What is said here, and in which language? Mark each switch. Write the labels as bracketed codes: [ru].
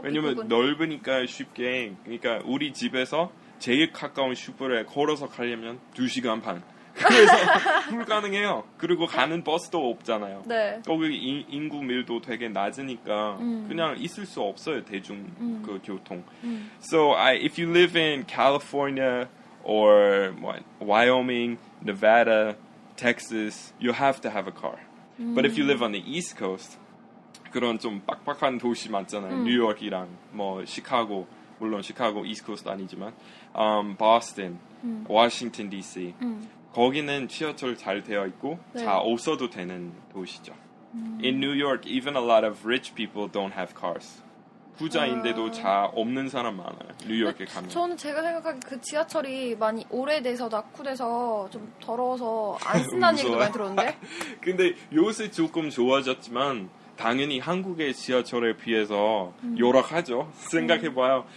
[ko] 왜냐면 넓으니까 쉽게, 그러니까 우리 집에서 제일 가까운 슈퍼를 걸어서 가려면 2시간 반. 그래서 불가능해요. 그리고 가는 버스도 없잖아요. 네. 거기 인구 밀도 되게 낮으니까 그냥 있을 수 없어요, 대중 그 교통. [en] So if you live in California or Wyoming, Nevada, Texas, you have to have a car. But if you live on the East Coast, [ko] 그런 좀 빡빡한 도시 많잖아요. 뉴욕이랑 뭐 시카고, 물론 시카고 East Coast 아니지만 Boston, Washington DC. 거기는 지하철 잘 되어 있고 다 네. 없어도 되는 도시죠. [en] In New York, even a lot of rich people don't have cars. [ko] 부자인데도 차 없는 사람 많아요. 뉴욕에 가면. 저는 제가 생각하기에 그 지하철이 많이 오래돼서 낙후돼서 좀 더러워서 안 쓴다는 얘기도 많이 들었는데. 근데 요새 조금 좋아졌지만 당연히 한국의 지하철에 비해서 열악하죠. 생각해봐요.